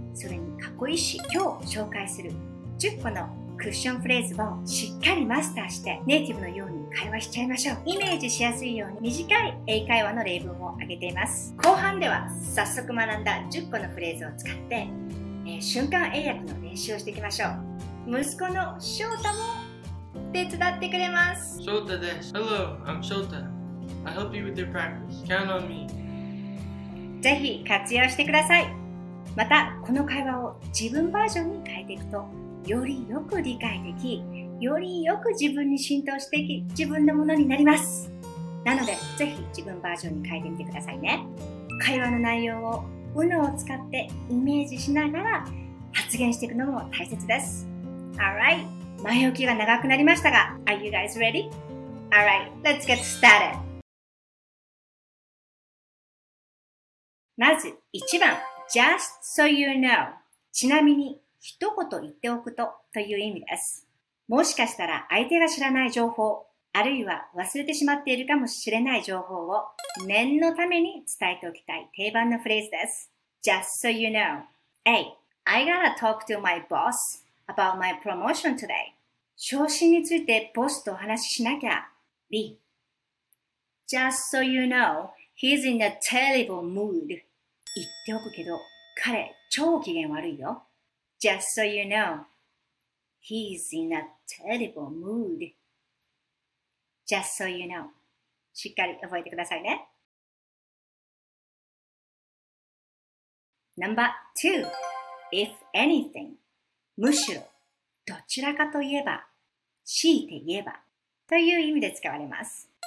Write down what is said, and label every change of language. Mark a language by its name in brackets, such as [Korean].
[Japanese] それにかっこいいし、今日紹介する10個のクッションフレーズをしっかりマスターしてネイティブのように会話しちゃいましょう。イメージしやすいように短い英会話の例文を挙げています。後半では早速学んだ10個のフレーズを使って、瞬間英訳の練習をしていきましょう。息子の翔太も手伝ってくれます。翔太です。 [English] Hello, I'm 翔太。 I help you with your practice. Count on me. [Japanese] ぜひ活用してください。またこの会話を自分バージョンに変えていくと、よりよく理解でき、よりよく自分に浸透していき、自分のものになります。なのでぜひ自分バージョンに変えてみてくださいね。会話の内容を UNO を使ってイメージしながら発言していくのも大切です。 [English] Alright, [Japanese] 前置きが長くなりましたが、 [English] Are you guys ready? Alright, let's get started. [Japanese] まず1番、 [English] Just so you know、 [Japanese] ちなみに一言言っておくとという意味です。もしかしたら相手が知らない情報、あるいは忘れてしまっているかもしれない情報を念のために伝えておきたい定番のフレーズです。 [English] Just so you know. Hey, I gotta talk to my boss about my promotion today. [Japanese] 昇進についてボスとお話ししなきゃ。 [English] B. Just so you know, he's in a terrible mood. [Japanese] 言っておくけど、彼超機嫌悪いよ。 [English] Just so you know, he's in a terrible mood. Just so you know. [Japanese] しっかり覚えてくださいね。 [English] Number two. If anything, [Japanese] むしろ、どちらかといえば、強いて言えば、という意味で使われます。